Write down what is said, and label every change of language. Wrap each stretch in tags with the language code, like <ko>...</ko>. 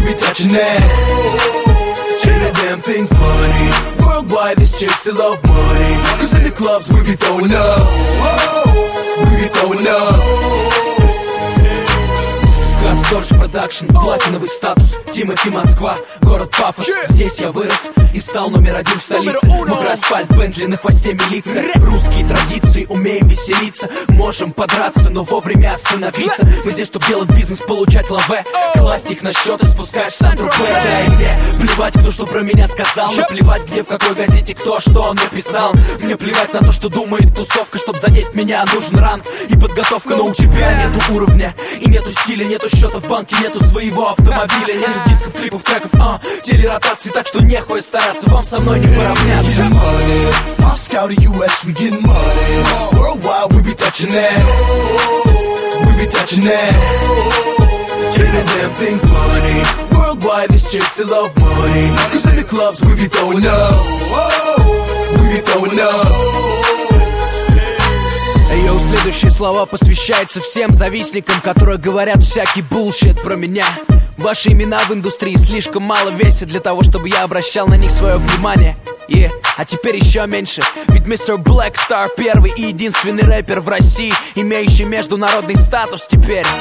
<en>We be touching that. Treat a damn thing funny. Worldwide, this chick still love money. Cause in the clubs, we be throwing up. We be throwing up. Storage Production,</en> <ru>платиновый статус. Тимати, Москва, город пафос. Здесь я вырос и стал номер один в столице. Мокрый асфальт, Бентли на хвосте милиции. Русские традиции, умеем веселиться. Можем подраться, но вовремя остановиться. Мы здесь, чтоб делать бизнес, получать лаве. Класть их на счет и спускать в Сан-Тропе. Да и мне плевать, кто что про меня сказал. Наплевать, где, в какой газете, кто что написал. Мне плевать на то, что думает тусовка. Чтоб задеть меня, нужен ранг и подготовка. Но у тебя нету уровня и нету стиля, нету счета в банке, нету своего автомобиля. Нет дисков, клипов, треков, телеротации. Так что нехуя стараться, вам со мной не поравняться.</ru> <en>We getting money. Moscow to US, we getting money. Worldwide, we be touching that. We be touching that. Treat a damn thing funny. Worldwide, this chick still love money. Cause in the clubs, we be throwing up. We be throwing up.</en> <ru>Следующие слова посвящаются всем завистникам, которые говорят всякий булшит про меня. Ваши имена в индустрии слишком мало весят для того, чтобы я обращал на них свое внимание. А теперь еще меньше. Ведь мистер Black Star первый и единственный рэпер в России, имеющий международный статус теперь.</ru>